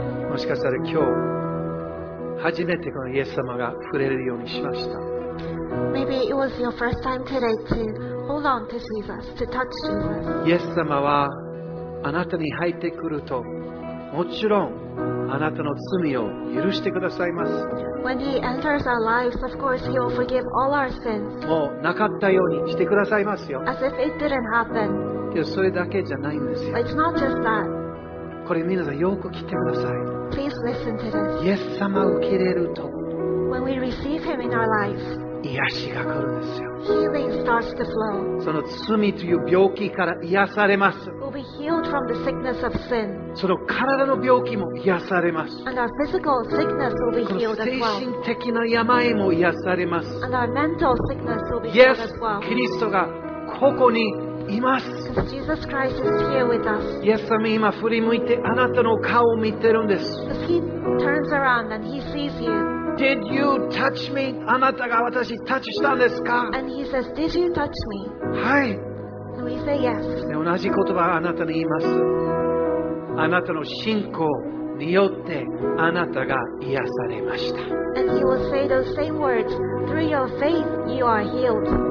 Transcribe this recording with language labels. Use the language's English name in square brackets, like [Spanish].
[Japanese] もしかしたら今日初めてこのイエス様が触れるようにしました。 [English] Maybe it was your first time today to hold on to Jesus, to touch Jesus. [Japanese] イエス様はあなたに入ってくるともちろんあなたの罪を許してくださいます。 [English] When he enters our lives, of course he will forgive all our sins. [Japanese] もうなかったようにしてくださいますよ。 [English] As if it didn't happen. [Japanese] でもそれだけじゃないんですよ。 [English] It's not just that. [Japanese] これ皆さんよく聞いてください。 [English] Please listen to this. [Japanese] イエス様を受け入れると [English] When we receive him in our life, [Japanese] 癒しが来るんですよ。 [English] Healing starts to flow. [Japanese] その罪という病気から癒されます。 [English] We'll be healed from the sickness of sin. [Japanese] その体の病気も癒されます。 [English] And our physical sickness will be healed as well. [Japanese] 精神的な病も癒されます。 [English] And our mental sickness will be healed as well. Yes, [Japanese] キリストがここにいます。 [English] Because Jesus Christ is here with us. [Japanese] イエス様今振り向いてあなたの顔を見てるんです。 [English] Because he turns around and he sees you. Did you touch me? [Japanese] あなたが私タッチしたんですか? [English] And he says, Did you touch me? [Japanese] はい。 [English] And we say yes. [Japanese] 同じ言葉をあなたに言います。あなたの信仰によってあなたが癒されました。 [English] And he will say those same words. Through your faith, you are healed.